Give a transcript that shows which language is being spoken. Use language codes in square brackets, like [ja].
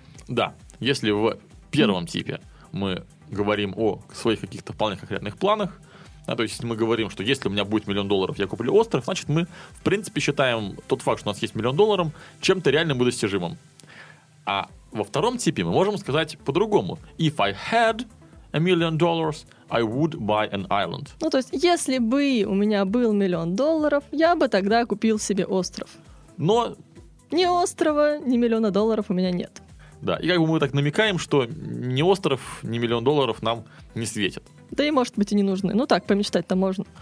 [ru] Да, если в первом типе мы говорим о своих каких-то вполне конкретных планах, да, то есть если мы говорим, что если у меня будет $1,000,000, я куплю остров, значит мы, в принципе, считаем тот факт, что у нас есть $1,000,000, чем-то реальным и достижимым. А во втором типе мы можем сказать по-другому. [en] If I had $1,000,000, I would buy an island. [ru] Ну, то есть, если бы у меня был $1,000,000, я бы тогда купил себе остров. Но ни острова, ни $1,000,000 у меня нет. Да, и как бы мы так намекаем, что ни остров, ни $1,000,000 нам не светит. Да и, может быть, и не нужны. Ну так, помечтать-то можно.